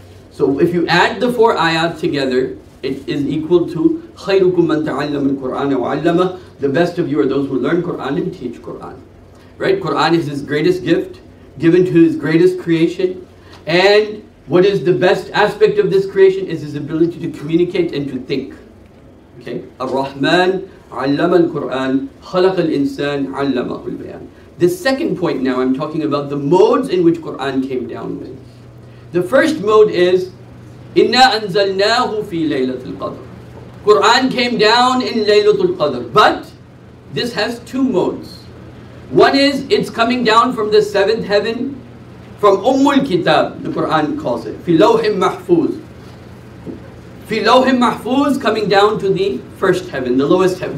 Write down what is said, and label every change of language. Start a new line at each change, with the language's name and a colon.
English: So if you add the four ayat together, it is equal to
Arabic: خَيْرُكُمْ مَنْ تَعَلَّمُ الْقُرْآنَ وَعَلَّمَ,
English: the best of you are those who learn Quran and teach Quran. Right? Quran is his greatest gift, given to his greatest creation. And what is the best aspect of this creation is his ability to communicate and to think. Okay?
Arabic: Ar-Rahman عَلَّمَ الْقُرْآنَ خَلَقَ الْإِنسَانَ عَلَّمَهُ الْبَيَانَ.
English: The second point now, I'm talking about the modes in which Quran came down with. The first mode is,
Arabic: إِنَّا أَنزَلْنَاهُ فِي لَيْلَةِ الْقَدْرِ.
English: Quran came down in Laylatul Qadr. But this has two modes. One is, it's coming down from the seventh heaven, from Ummul Kitab, the Quran calls it.
Arabic: فِي لَوْحٍ مَحْفُوظٍ. فِي لَوْحٍ مَحْفُوظٍ,
English: coming down to the first heaven, the lowest heaven.